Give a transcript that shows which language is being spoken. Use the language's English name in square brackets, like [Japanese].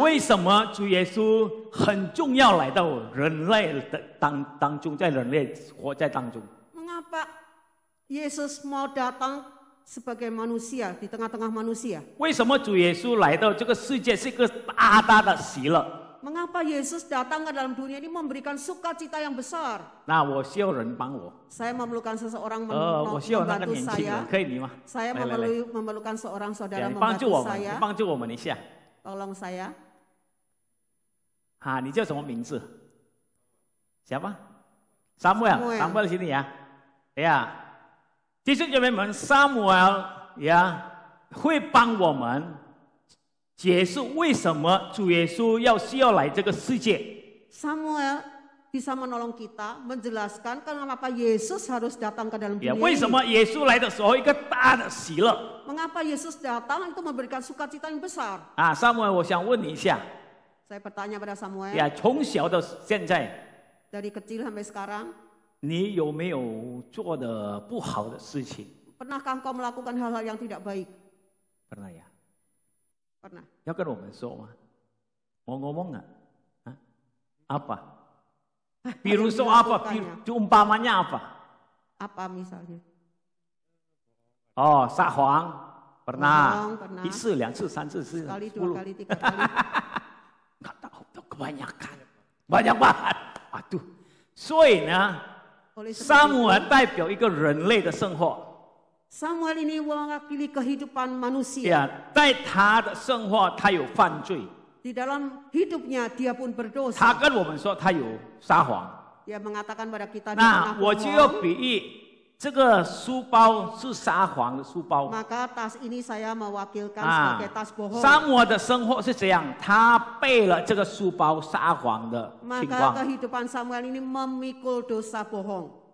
[Chinese] 为什么主耶稣很重要来到人类的当中，在人类活在当中？ [Indonesian] Mengapa Yesus mau datang sebagai manusia di tengah-tengah manusia? [Chinese] 为什么主耶稣来到这个世界是个大大的喜乐？ [Indonesian] Mengapa Yesus datang ke dalam dunia ini memberikan sukacita yang besar? [Chinese] Nah, 我需要人帮我. [Indonesian] Saya memerlukan seseorang membantu saya. [Chinese] 可以你吗? [Indonesian] Saya memerlukan seorang saudara membantu saya. [Chinese] 帮助我们一下. [Indonesian] Tolong saya. [Chinese] 你叫什么名字? [Indonesian] Siapa? Samuel. Samuel sini ya. Ya. [Chinese] 其实人们, Samuel, ya, 会帮我们. 解释为什么主耶稣要来这个世界 [Indonesian] Samuel bisa menolong kita menjelaskan kenapa Yesus harus datang ke dalam dunia ini. [Chinese] 为什么耶稣来的时候一个大的喜乐 [Indonesian] Mengapa Yesus datang itu memberikan sukacita yang besar [Chinese] Samuel 我想问你一下 [Indonesian] Saya bertanya pada Samuel [Chinese] 从小到现在 [Indonesian] Dari kecil sampai sekarang [Chinese] 你有没有做的不好的事情 [Indonesian] Pernahkah engkau melakukan hal-hal yang tidak baik Pernah ya Pernah. [Chinese] 要跟我们说吗?我ngomong啊?啊?Apa? 比如说 apa? 比如说 [Indonesian] umpamanya apa? Apa misalnya? [Chinese] Oh, 撒谎.Pernah. 撒谎, 一次两次三次四次 [Indonesian] sekali dua kali tiga kali. Gak tahu, kebanyakan. Banyak banget. Aduh. [Chinese] 所以呢, Samuel 代表一个人类的生活. [Indonesian] Samuel ini mewakili kehidupan manusia. [Chinese] Ya, 在他的生活他有犯罪. [Indonesian] Di dalam hidupnya dia pun berdosa. [Chinese] 他跟我们说他有撒谎. [Indonesian] Dia mengatakan pada kita [Chinese] dia Nah,我就要比喻这个书包是撒谎的书包. [Indonesian] Maka tas ini saya mewakilkan sebagai tas bohong. [Chinese] Samuel的生活是怎样?他背了这个书包撒谎的情况. [Indonesian] Maka kehidupan Samuel ini memikul dosa bohong.